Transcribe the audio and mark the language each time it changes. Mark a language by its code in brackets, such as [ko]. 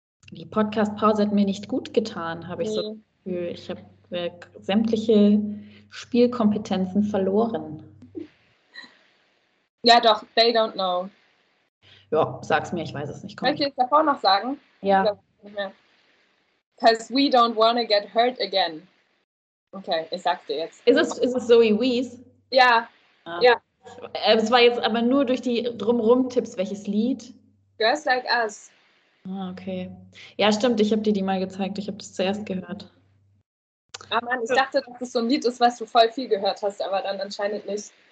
[de] Die Podcast-Pause hat mir nicht gut getan, habe ich so das Gefühl. Ich habe sämtliche Spielkompetenzen verloren. Ja, doch, [en] they don't know. [de] Ja, sag's mir, ich weiß es nicht. Möchte ich davor noch sagen? Ja. [en] Because we don't want to get hurt again. [de] Okay, ich sag's dir jetzt. Ist es Zoe Wees? Ja. Ah. Yeah. Es war jetzt aber nur durch die Drumrum-Tipps, welches Lied? Girls Like Us. Ah, okay. Ja, stimmt, ich habe dir die mal gezeigt. Ich habe das zuerst gehört. Ah, Mann, ich dachte, dass das so ein Lied ist, was du voll viel gehört hast, aber dann anscheinend nicht.